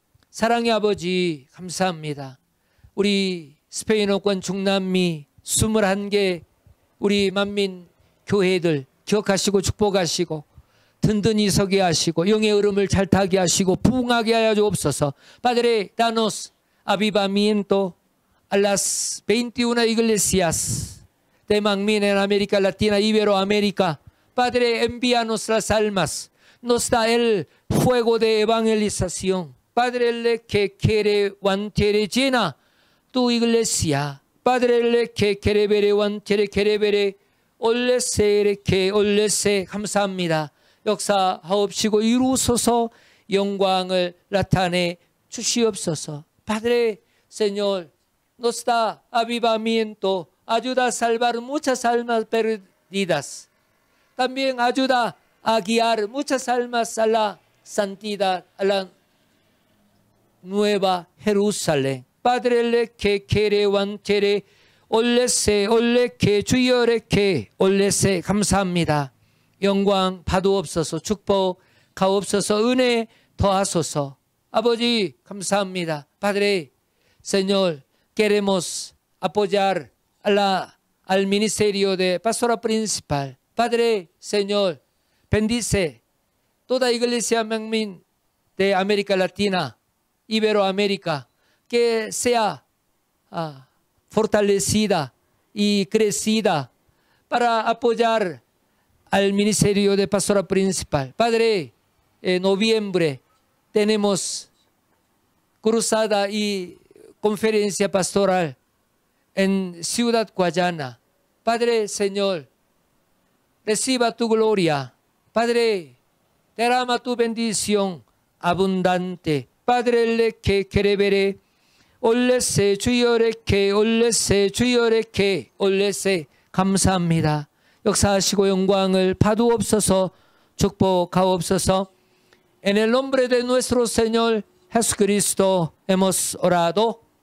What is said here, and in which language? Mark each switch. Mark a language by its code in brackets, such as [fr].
[ko] 사랑의 아버지 감사합니다. 우리 스페인어권 중남미 21개 우리 만민 교회들 기억하시고 축복하시고 든든히 서게 하시고 영의 흐름을 잘 타게 하시고 부흥하게 하여 주옵소서. [es] 파드레 다노스 avivamiento a las 21 iglesias de Mangmin en América Latina, Iberoamérica. Padre, envíanos las almas. Nos da el fuego de evangelización. Padre, le que quiere, Juan, quiere llena tu iglesia. Padre, le que quiere ver, Juan, quiere ver, olese, le que olese, 감사합니다. [ko] 역사 하옵시고 이루소서 영광을 나타내 주시옵소서. [es] Padre, Señor, nos da avivamiento, ayuda a salvar muchas almas perdidas. También ayuda a guiar muchas almas a la santidad, a la nueva Jerusalén. Padre, le que quiere, wantere, olese, ole que, 주여, le que, olese, 감사합니다. [ko] 영광 받으옵소서, 축복 가옵소서, 은혜 더하소서. 아버지, 감사합니다. [es] Padre, Señor, queremos apoyar al ministerio de pastora principal. Padre, Señor, bendice toda iglesia Mangmin de América Latina, Iberoamérica, que sea fortalecida y crecida para apoyar al ministerio de pastora principal. Padre, en noviembre tenemos cruzada y conferencia pastoral en Ciudad Guayana. Padre, Señor, reciba tu gloria. Padre, derrama tu bendición abundante. Padre, le que quiere ver, olese, 주여, le que, olese, 주여, le que, olese, 감사합니다. [ko] 역사하시고 영광을 받으옵소서, 축복하옵소서. [es] En el nombre de nuestro Señor Jesucristo hemos orado.